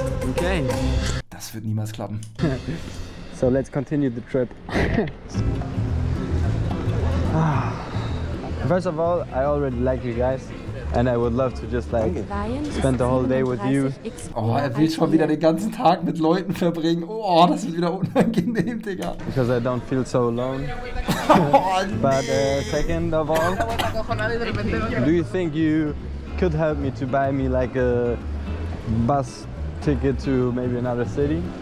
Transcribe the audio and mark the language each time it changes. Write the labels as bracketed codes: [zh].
[de] Okay. Das wird niemals klappen. [en] So let's continue the trip. First of all, I already like you guys. And I would love to just like spend the whole day with you. [de] Oh, er will schon wieder den ganzen Tag mit Leuten verbringen. Oh, das ist wieder unangenehm, Digga. [en] Because I don't feel so alone. But second of all, do you think you could help me to buy me like a bus ticket to maybe another city?